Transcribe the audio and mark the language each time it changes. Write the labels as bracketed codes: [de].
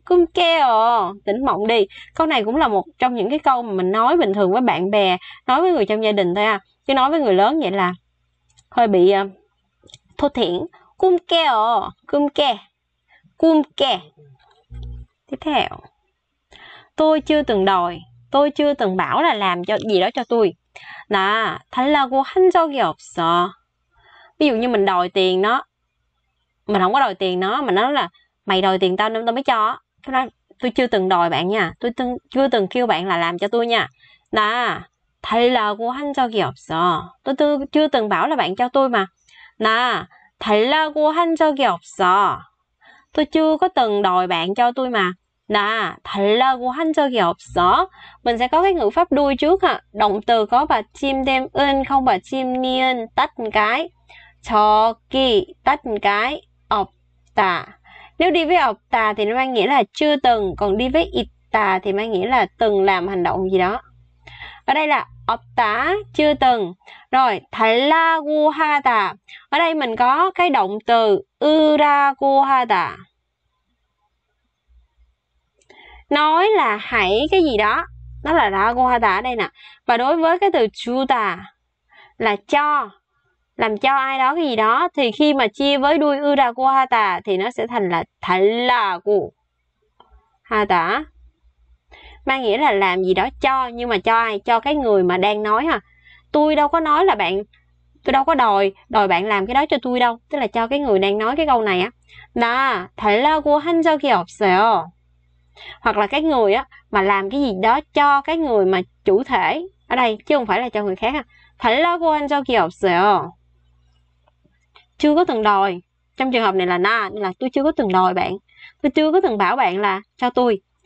[vi] Cun kè ồ, tỉnh mộng đi. Câu này cũng là một trong những cái câu mà mình nói bình thường với bạn bè, nói với người trong gia đình thôi à, chứ nói với người lớn vậy là hơi bị thô thiển. Cun kè ồ, cun kè. Cung kè. Tiếp theo. Tôi chưa từng đòi, tôi chưa từng bảo là làm cho gì đó cho tôi. [ko] Nà, 달라고 한 적이 없어. [vi] Ví dụ như mình đòi tiền nó, mình không có đòi tiền nó, mà nó là mày đòi tiền tao nên tao mới cho. Tôi chưa từng đòi bạn nha, tôi chưa từng kêu bạn là làm cho tôi nha. [ko] Nà, 달라고 한 적이 없어. [vi] Tôi chưa từng bảo là bạn cho tôi mà. [ko] Nà, 달라고 한 적이 없어. [vi] Tôi chưa có từng đòi bạn cho tôi mà. [ko] Nà, 달라고 한 적이 없어. [vi] Mình sẽ có cái ngữ pháp đuôi trước ha. Động từ có bà chim đem ơn, không bà chim niên, tắt cái. 저기, tắt cái. 없다. Nếu đi với 없다 thì nó mang nghĩa là chưa từng. Còn đi với 있다 thì mang nghĩa là từng làm hành động gì đó. Ở đây là 없다, chưa từng. Rồi, 달라고 하다. Ở đây mình có cái động từ 으라고 하다. Nói là hãy cái gì đó. Đó là 라고 하다 ở đây nè. Và đối với cái từ 주다 là cho. Làm cho ai đó cái gì đó. Thì khi mà chia với đuôi 으라고 하다 thì nó sẽ thành là 달라고 하다. Mang nghĩa là làm gì đó cho. Nhưng mà cho ai? Cho cái người mà đang nói ha. Tôi đâu có nói là bạn, tôi đâu có đòi bạn làm cái đó cho tôi đâu. Tức là cho cái người đang nói cái câu này á. [ko] Nà, 달라고 한 적이 없어요. [vi] Hoặc là cái người á mà làm cái gì đó cho cái người mà chủ thể ở đây, chứ không phải là cho người khác ha. [ko] 달라고 한 적이 없어요. [vi] Chưa có từng đòi. Trong trường hợp này là na, nên là tôi chưa có từng đòi bạn. Tôi chưa có từng bảo bạn là cho tôi.